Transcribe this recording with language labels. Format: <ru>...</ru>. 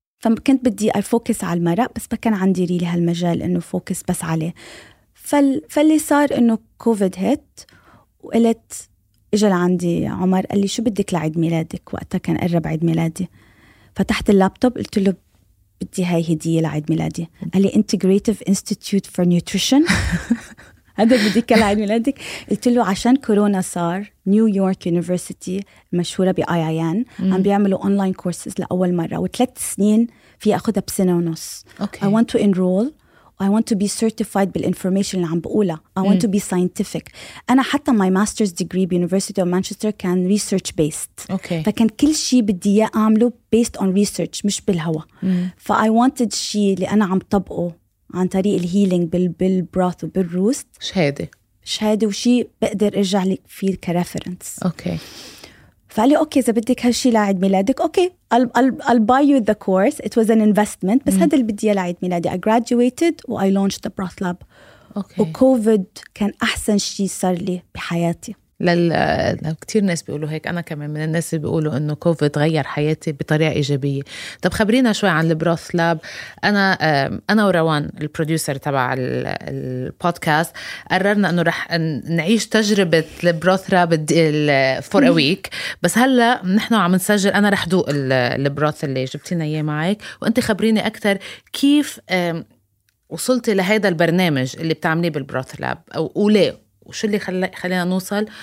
<ar>فكنت بدي</ar> <en>I focus</en> <ar>على المرق بس ما كان عندي ريلي هالمجال انه فوكس بس عليه. فاللي صار انه كوفيد هيت وقلت اجى لعندي عمر قال لي شو بدك لعيد ميلادك؟ وقتها كان قرب عيد ميلادي. فتحت اللابتوب قلت له بدي هاي هدية لعيد ميلادي. قال لي Integrative Institute for Nutrition. هذا بدي كل عيد ميلادك. قلت له عشان كورونا صار نيويورك يونيفرسيتي مشهورة بIIN عم بيعملوا أونلاين كورسز لأول مرة وثلاث سنين في أخذها بسنة ونص.</ar> <en>Okay. I want to enroll. I want to be certified</en> <ar>بالinformation اللي عم بقولها.</ar> <en>I want to be scientific.</en> <ar>أنا حتى</ar> <en>my master's degree</en> <ar>بUniversity of Manchester كان</ar> <en>research based. Okay.</en> <ar>فكان كل شيء بدي أعمله</ar> <en>based on research</en> <ar>مش بالهوى. ف</ar> <en>I wanted</en> <ar>شيء اللي أنا عم طبقه عن طريق الهيلينج بالبروث وبالروست. شهادة وشيء بقدر أرجع لك فيه كرفرنس.</ar> <en>Okay.</en> <ar>فقال لي أوكي إذا بدك هالشي لعيد ميلادك أوكي</ar> <en>I'll buy you the course. It was an investment</en> <ar>بس هذا اللي بدي إياه لعيد ميلادي.</ar> <en>I graduated and I launched the broth lab.</en> <ar>أوكي. وكوفيد كان أحسن شي صار لي بحياتي. كتير ناس بيقولوا هيك، أنا كمان من الناس بيقولوا أنه كوفيد غير حياتي بطريقة إيجابية. طب خبرينا شوي عن البروث لاب. أنا وروان البروديوسر تبع البودكاست قررنا أنه رح نعيش تجربة البروث لاب</ar> <en>for a week،</en> <ar>بس هلأ نحن عم نسجل أنا رح دوق البروث اللي جبتينا إياه معك، وأنت خبريني أكثر كيف وصلتي لهذا البرنامج اللي بتعمليه بالبروث لاب وليه وشو اللي خلينا نوصل.</ar>